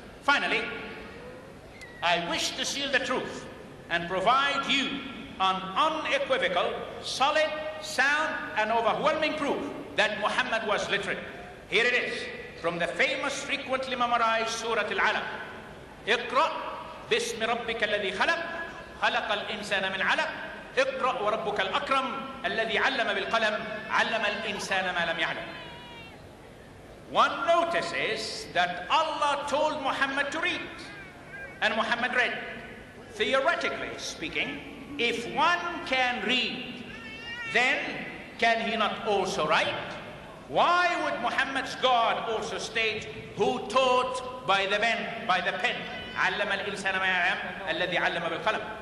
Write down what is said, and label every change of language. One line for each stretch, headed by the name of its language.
English: Finally, I wish to seal the truth and provide you an unequivocal, solid, sound, and overwhelming proof that Muhammad was literate. Here it is, from the famous, frequently memorized Surah Al-Alaq.
Arabic: اقرأ بسم ربك الذي خلق خلق الإنسان من علق اقرأ وربك الأكرم الذي علم بالقلم علم الإنسان ما لم يعلم.
English: One notices that Allah told Muhammad to read, and Muhammad read. Theoretically speaking, if one can read, then can he not also write? Why would Muhammad's God also state, who taught by the pen,
Arabic: علم الإنسان ما يعلم الذي علم بالقلم?